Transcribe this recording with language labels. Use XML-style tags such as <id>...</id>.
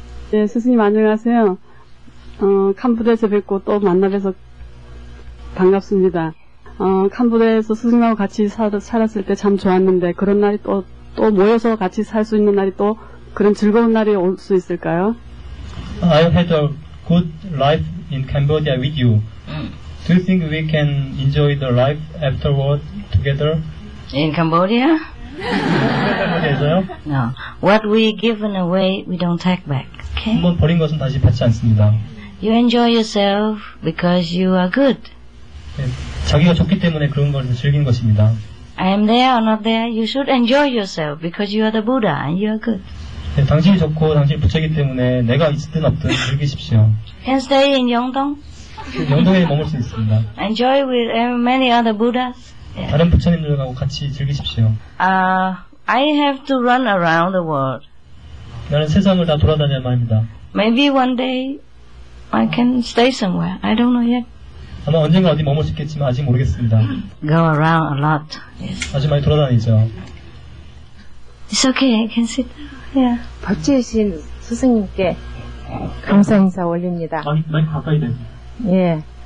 <ko>네, 스승님 안녕하세요. 캄보디아에서 뵙고 또 만나뵈서 반갑습니다. 캄보디아에서 스승님하고 같이 살았을 때 참 좋았는데 그런 날이 또 모여서 같이 살 수 있는 날이 또 그런 즐거운 날이 올 수 있을까요?</ko> <en>I had a good life in Cambodia with you. Do you think we can enjoy the life afterward together? In Cambodia? Okay, so? No. What we given away, we don't take back. Okay?</en> <ko>한번 버린 것은 다시 받지 않습니다.</ko> <en>You enjoy yourself because you are good.</en> <ko>네, 자기가 좋기 때문에 그런 걸 즐긴 것입니다.</ko> <en>I am there or not there, you should enjoy yourself because you are the Buddha and you are good.</en> <ko>네, 당신이 좋고 당신이 부처이기 때문에 내가 있든 없든 즐기십시오.</ko> <en>Can stay in 영동?</en> <ko>영동에 머물 수 있습니다.</ko> <en>Enjoy with many other Buddhas. Yeah.</en> <ko>다른 부처님들하고 같이 즐기십시오.</ko> <en>I have to run around the world.</en> <ko>나는 세상을 다 돌아다녀야 합니다.</ko> <en>Maybe one day I can stay somewhere. I don't know yet.</en> <ko>아마 언젠가 어디 머물 수 있겠지만 아직 모르겠습니다.</ko> <en>Go around a lot. Yes.</en> <ko>아주 많이 돌아다니죠.</ko> <en>It's okay. I can sit.</en> <ko>네. 법치이신 스승님께 감사 인사 올립니다. 많이 가까이 되세요. 예.</ko>